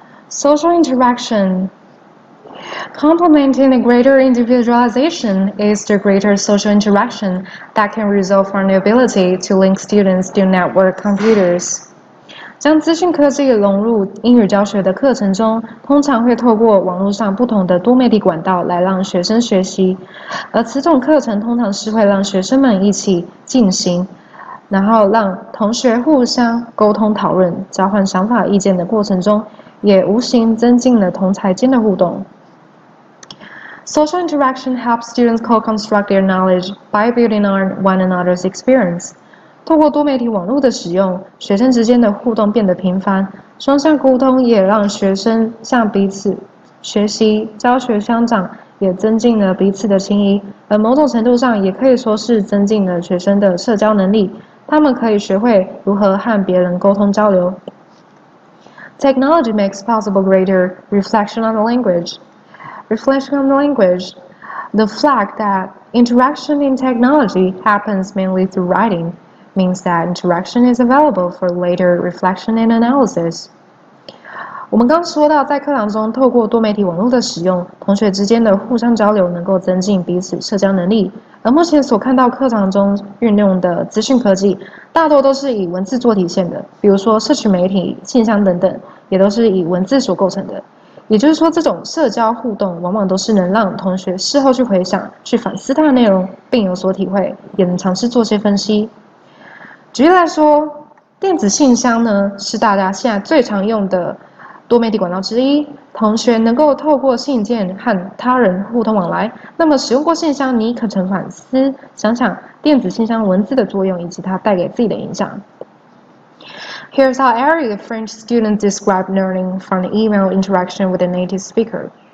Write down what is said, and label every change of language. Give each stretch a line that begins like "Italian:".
English: Social interaction, complementing the greater individualization, is the greater social interaction that can result from the ability to link students to network computers.
Chinese: 将资讯科技融入英语教学的课程中，通常会透过网络上不同的多媒体管道来让学生学习，而此种课程通常是会让学生们一起进行，然后让同学互相沟通讨论，交换想法意见的过程中，也无形增进了同侪间的互动。
English: Social interaction helps students co-construct their knowledge by building on one another's experience.
Chinese: 透过多媒体网络的使用，学生之间的互动变得频繁，双向沟通也让学生向彼此学习，教学相长，也增进了彼此的情谊，而某种程度上也可以说是增进了学生的社交能力，他们可以学会如何和别人沟通交流。
English: Technology makes possible greater reflection on the language. Reflection on the language, the fact that interaction in technology happens mainly through writing, means that interaction is available for later reflection and analysis.
Chinese: 我们刚说到，在课堂中透过多媒体网络的使用，同学之间的互相交流能够增进彼此社交能力。而目前所看到课堂中运用的资讯科技，大多都是以文字做体现的，比如说社群媒体、信箱等等，也都是以文字所构成的。也就是说，这种社交互动往往都是能让同学事后去回想、去反思它的内容，并有所体会，也能尝试做些分析。举例来说，电子信箱呢，是大家现在最常用的多媒体管道之一，同学能够透过信件和他人互通往来。那么使用过信箱，你可曾反思，想想电子信箱文字的作用以及它带给自己的影响。
English: Here's how every French student described learning from the email interaction with a native speaker.